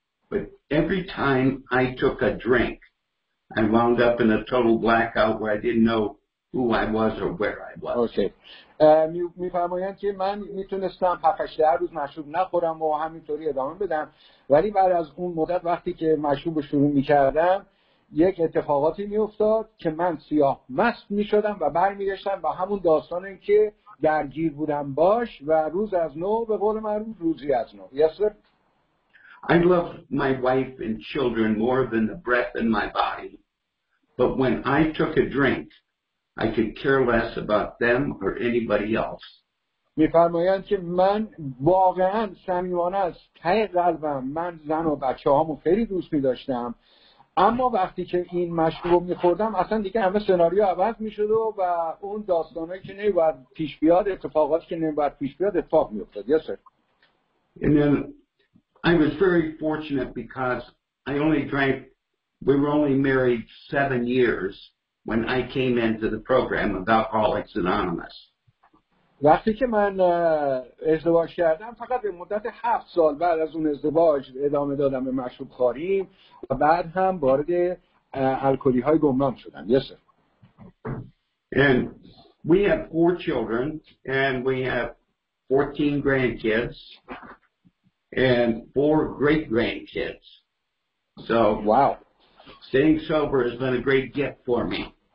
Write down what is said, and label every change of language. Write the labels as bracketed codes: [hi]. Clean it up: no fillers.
[en] But every time I took a drink, I wound up in a total blackout where I didn't know who I was or where I was. Okay. [fa] می‌فرمایند که من میتونستم 7-8 روز مشروب نخورم و همینطوری ادامه بدم. ولی بعد از اون مدت وقتی که مشروب شروع می‌کردم، یک اتفاقاتی می‌افتاد که من سیاه مست می‌شدم و برمی‌گشتم با همون داستان که درگیر بودم باش و روز از نو به قول معروف روزی از نو. [en] Yes, sir. I love my wife and children more than the breath in my body. But when I took a drink, I could care less about them or anybody else. [fa] می‌فرمایند که من واقعاً صمیمانه از ته قلبم من زن و بچه‌هامو خیلی دوست می‌داشتم. اما وقتی که این مشروب رو می‌خوردم اصلا دیگه همه سناریو عوض می‌شد و اون داستانی که نمی‌بود پیش بیاد اتفاقاتی که نمی‌بود پیش بیاد اتفاق می‌افتاد. [en] Yes, sir. I was very fortunate because I only drank, we were only married 7 years when I came into the program of Alcoholics Anonymous. [fa] وقتی که من ازدواج کردم فقط به مدت 7 سال بعد از اون ازدواج ادامه دادم به مشروب خواری و بعد هم وارد الکلی های گمنام شدم. [en] Yes, sir. And we have 4 children and we have 14 grandkids. And 4 great-grandkids. So, wow. Staying sober has been a great gift for me.